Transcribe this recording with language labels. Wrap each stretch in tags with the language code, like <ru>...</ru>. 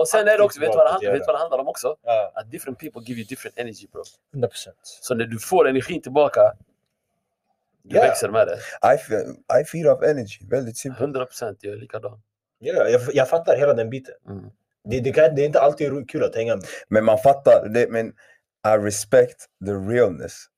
<sv>Och sen är det också, vet du vad det handlar om också?</sv> <en>Att different people give you different energy, bro.</en> <sv>100%. Så när du får energin tillbaka, du växer med det.</sv> <en>I feed off energy,</en> <sv>väldigt simpelt. 100%, jag är likadan. Jag fattar hela den biten. Det är inte alltid kul att hänga med. Men man fattar det, men</sv> <en>I respect the realness.</en>